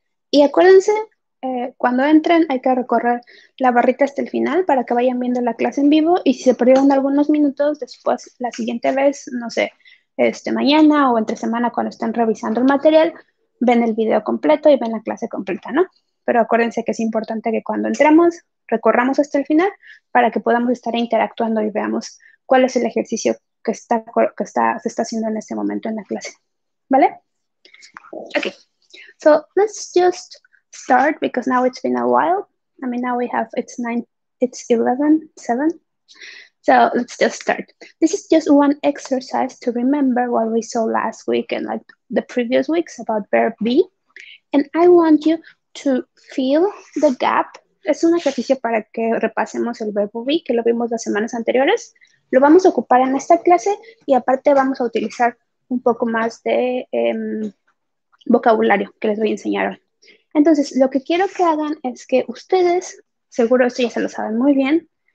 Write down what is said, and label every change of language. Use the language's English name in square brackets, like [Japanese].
[Spanish] Y acuérdense, cuando entren hay que recorrer la barrita hasta el final para que vayan viendo la clase en vivo y si se perdieron algunos minutos, después, la siguiente vez, no sé, mañana o entre semana cuando estén revisando el material, ven el video completo y ven la clase completa, ¿no? Pero acuérdense que es importante que cuando entremos, recorramos hasta el final para que podamos estar interactuando y veamos cuál es el ejercicio que se está haciendo en este momento en la clase, ¿vale? [English] Okay, so let's just start because now it's been a while. I mean, now we have, it's 9, it's 11, 7. So let's just start. This is just one exercise to remember what we saw last week and like the previous weeks about verb be. And I want you to fill the gap. [Spanish] Es un ejercicio para que repasemos el verbo be que lo vimos las semanas anteriores. Lo vamos a ocupar en esta clase y aparte vamos a utilizar un poco más de vocabulario que les voy a enseñar hoy. Entonces, lo que quiero que hagan es que ustedes, seguro esto ya se lo saben muy bien,